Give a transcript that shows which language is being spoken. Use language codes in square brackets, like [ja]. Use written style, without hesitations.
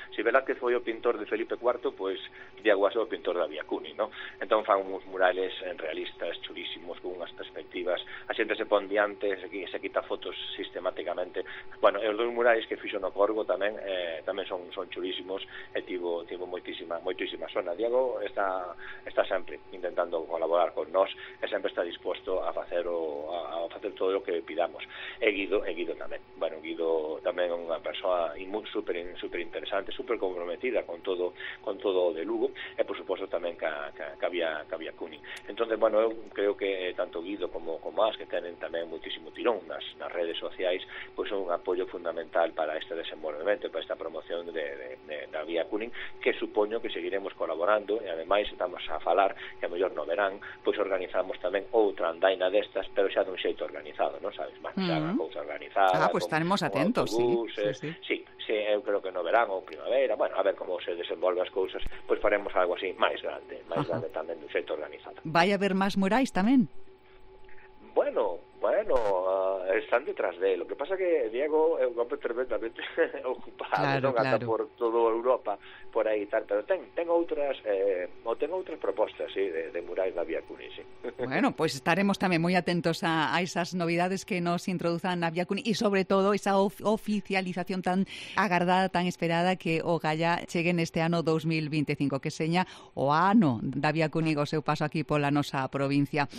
[gl] Si Velázquez foi o pintor de Felipe IV, pois Diego As é o pintor da vía Kooning, ¿no? Entón fan uns murales realistas, chulísimos, con unhas perspectivas. A xente se pon diante, se quita fotos sistemáticamente. Bueno, e os dois murales que fixo no Corgo tamén, tamén son chulísimos, e tivo moitísima sona. Diego está sempre intentando colaborar con nós, e sempre está disposto a facer facer todo o que pidamos. E Guido tamén. Bueno, Guido tamén é unha persoa super interesante, super comprometida con todo de Lugo, e por suposto tamén cabía Cuni. Entonces, bueno, eu creo que tanto Guido como as que tenen tamén muitísimo tirón nas redes sociais, pois son un apoio fundamental para este desenvolvemento, para esta promoción da vía Cunning, que supoño que seguiremos colaborando, e ademais estamos a falar que a mellor no verán pois organizamos tamén outra andaina destas, pero xa dun xeito organizado, non sabes, máis xa unha cousa organizada. Ah, pois estaremos atentos, sí, eu creo que no verán ou primavera, bueno, a ver como se desenvolve as cousas, pois faremos algo así máis grande tamén dun xeito organizado. Vai haber máis murais tamén? [es] Bueno, están detrás de él. Lo que pasa que Diego es un hombre tremendamente ocupado, claro, ¿no? Claro. Por toda Europa, por ahí y tal. Pero tengo otras propuestas, sí, de murales de Vía Cuni, sí. Bueno, pues estaremos también muy atentos a esas novedades que nos introduzan a Vía Cuni, y sobre todo esa oficialización tan agardada, tan esperada, [gl] que o Gaia chegue en este ano 2025, que seña o ano da Vía Cuni, o seu paso aquí pola nosa provincia.